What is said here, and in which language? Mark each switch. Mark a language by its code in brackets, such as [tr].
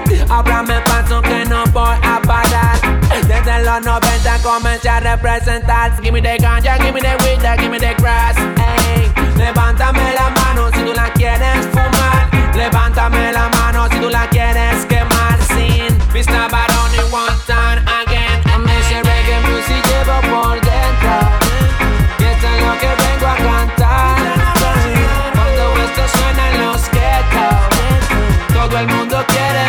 [es] Ahora me paso que no voy a parar. Desde los 90 comencé a representar. [en] Give me the ganja, give me the weed, give me the grass. [es] Levántame la mano si tú la quieres fumar. Levántame la mano si tú la quieres quemar. Sin Mr. Baroni [en] one time again. [es] A mí ese reggae music llevo por dentro. Y esto es lo que vengo a cantar. Cuando esto suena en los ghetto, todo el mundo quiere.